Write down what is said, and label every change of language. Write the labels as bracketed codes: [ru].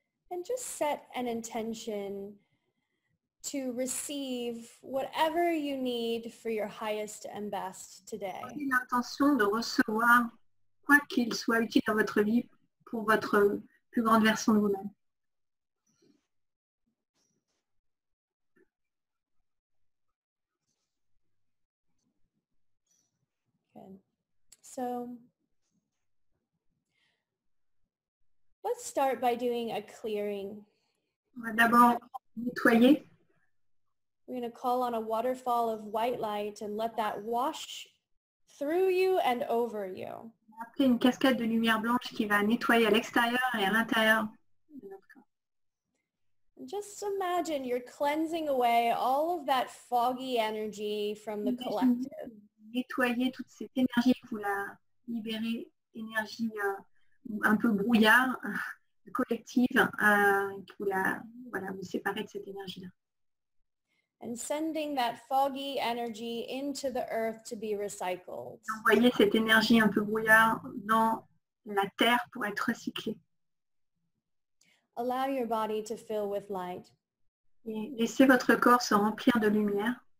[en] And just set an intention to receive whatever you need for your highest and best today. [fr] Prenez l'intention de recevoir quoi qu'il soit utile dans votre vie pour votre plus grande version de vous-même. [en] Okay. So let's start by doing a clearing. [fr] On va d'abord nettoyer. [en] We're going to call on a waterfall of white light and let that wash through you and over you. [fr] On va appeler une cascade de lumière blanche qui va nettoyer à l'extérieur et à l'intérieur de notre corps. [en] Just imagine you're cleansing away all of that foggy energy from the collective. [fr] Nettoyer toute cette énergie, vous la libérez, énergie un peu brouillard, collective, vous séparez de cette énergie-là. [en] And sending that foggy energy into the earth to be recycled. [fr] Envoyez cette énergie un peu brouillard dans la terre pour être recyclée. [en] Allow your body to fill with light. [fr] Et laissez votre corps se remplir de lumière.